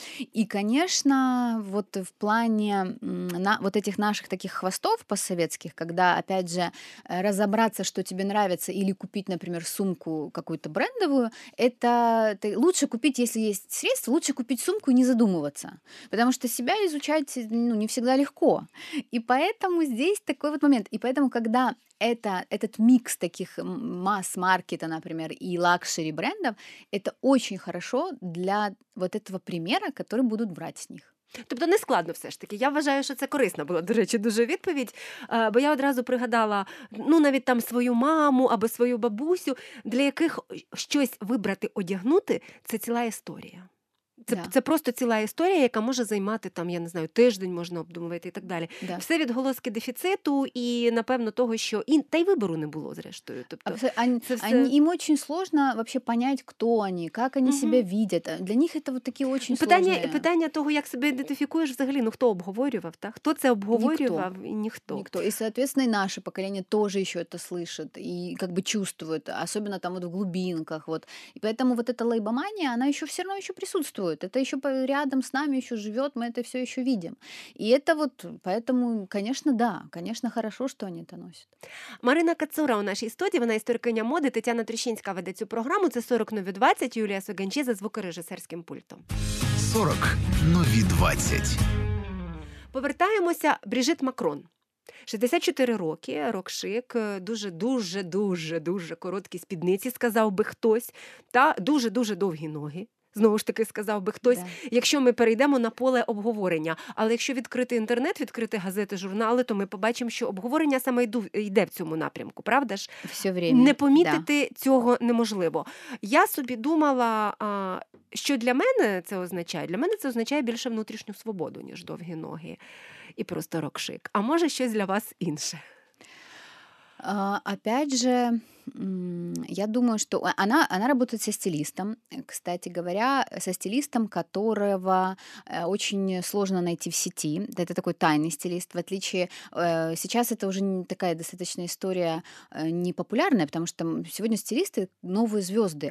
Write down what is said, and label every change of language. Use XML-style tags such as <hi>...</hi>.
<ru>И, конечно, вот в плане вот этих наших таких хвостов постсоветских, когда, опять же, разобраться, что тебе нравится, или купить, например, сумку какую-то брендовую, это лучше купить, если есть средства, лучше купить сумку и не задумываться, потому что себя изучать, ну, не всегда легко. И поэтому здесь такой вот момент. И поэтому, когда этот микс таких масс-маркета, например, и лакшери-брендов, это очень хорошо для вот этого примера, который будут брать с них.</ru> <uk>Тобто не складно все ж таки. Я вважаю, що це корисна була, до речі, дуже відповідь, бо я одразу пригадала, ну, навіть там свою маму або свою бабусю, для яких щось вибрати одягнути – це ціла історія. Це, да. Це просто ціла історія, яка може займати, там, я не знаю, тиждень можна обдумувати і так далі. Да. Все відголоски дефіциту і, напевно, того, що... І, та й вибору не було, зрештою. Тобто, їм дуже сложно взагалі зрозуміти, хто вони, як вони себе видять. Для них це вот такі дуже сложні... Питання того, як себе ідентифікуєш взагалі, ну, хто обговорював, так? Хто це обговорював? Ніхто. І, відповідно, і наше покоління теж ще це слышить і, як би, чувствує, особливо там вот, в глибинках. Вот. І тому</uk> <ru>вот эта</ru> <uk>лейбоманія, вона ще все одно ще присутствує.</uk> <ru>Это еще рядом с нами еще живет, мы это все еще видим. И это вот поэтому, конечно, да, конечно, хорошо, что они это носят.</ru> <uk>Марина Кацура</uk> <ru>у нашей студии, она историкиня моды,</ru> <uk>Тетяна Трещинська веде цю програму, це 40 нові 20, Юлія Сугенчі за звукорежисерським пультом. 40 нові 20. Повертаємося, Брижит Макрон. 64 роки, рок шик, дуже короткі спідниці, сказав би хтось, та дуже довгі ноги. Знову ж таки, сказав би хтось, якщо ми перейдемо на поле обговорення. Але якщо відкрити інтернет, відкрити газети, журнали, то ми побачимо, що обговорення саме йде в цьому напрямку, правда ж?</uk> <ru>Все время.</ru> <uk>Не помітити цього неможливо. Я собі думала, що для мене це означає? Для мене це означає більше внутрішню свободу, ніж довгі ноги і просто рок-шик. А може щось для вас інше?</uk> <ru>Опять же, я думаю, что она работает со стилистом, кстати говоря, со стилистом, которого очень сложно найти в сети. Это такой тайный стилист, в отличие, сейчас это уже не такая достаточно история непопулярная, потому что сегодня стилисты — новые звезды.</ru>